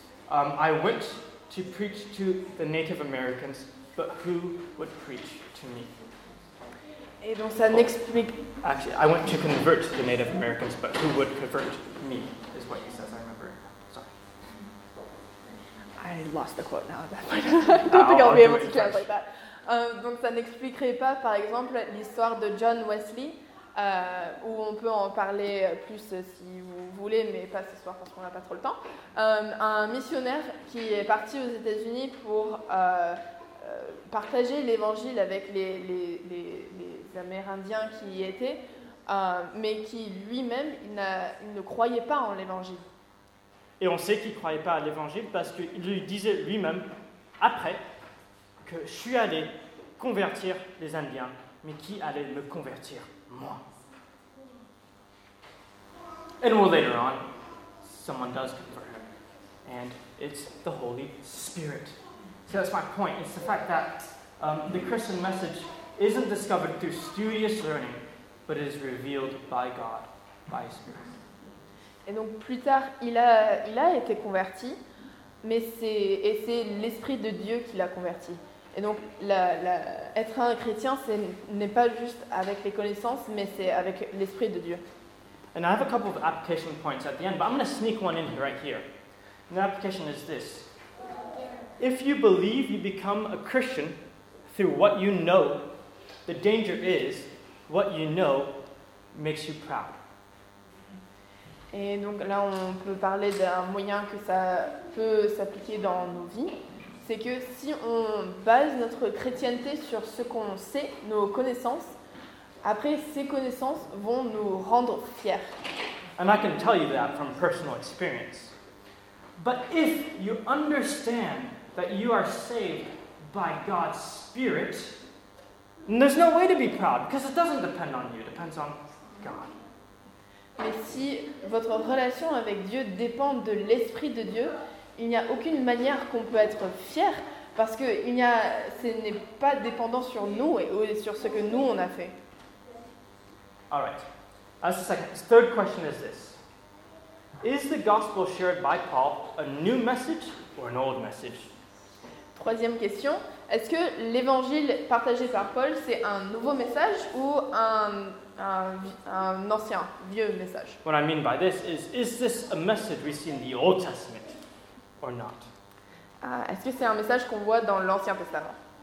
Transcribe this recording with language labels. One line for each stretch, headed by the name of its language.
English: I went to preach to the Native Americans, but who would preach to me?
French: Et donc ça n'explique...
English: Actually, I went to convert the Native Americans, but who would convert me, is what he says, I remember. Sorry. I lost the quote now. I don't think I'll be able to translate that.
French: Donc ça n'expliquerait pas, par exemple, l'histoire de John Wesley, où on peut en parler plus si vous voulez, mais pas ce soir parce qu'on n'a pas trop le temps. Un missionnaire qui est parti aux États-Unis pour partager l'évangile avec les Amérindiens qui y étaient, mais qui lui-même il ne croyait pas en l'évangile. Et on sait qu'il ne croyait pas à l'évangile parce qu'il lui disait lui-même après que je suis allé convertir les Indiens, mais qui allait me convertir ? Moi.
English: And well, later on, someone does convert him, and it's the Holy Spirit. So that's my point. It's the fact that the Christian message isn't discovered through studious learning, but it is revealed by God, by His Spirit.
French: Et donc plus tard, il a été converti, mais c'est l'Esprit de Dieu qui l'a converti. Et donc, être un chrétien, ce n'est pas juste avec les connaissances, mais c'est avec l'Esprit de Dieu.
English: And I have a couple of application points at the end, but I'm going to sneak one in right here. And the application is this. If you believe you become a Christian through what you know, the danger is what you know makes you proud.
French: Et donc là, on peut parler d'un moyen que ça peut s'appliquer dans nos vies. C'est que si on base notre chrétienté sur ce qu'on sait, nos connaissances, après ces connaissances vont nous rendre fiers.
English: And I can tell you that from personal experience. But if you understand that you are saved by God's Spirit, there's no way to be proud, because it doesn't depend on you, it depends on God.
French: Mais si votre relation avec Dieu dépend de l'Esprit de Dieu, il n'y a aucune manière qu'on peut être fier parce que ce n'est pas dépendant sur nous et sur ce que nous on a fait.
English: All right. That's the second. Third question is this. Is the gospel shared by Paul a new message or an old message?
French: Troisième question. Est-ce que l'évangile partagé par Paul, c'est un nouveau message ou un ancien, vieux message?
English: What I mean by this is this a message we see in the Old Testament? Or not.
French: Est-ce que c'est un message qu'on voit dans l'Ancien Testament?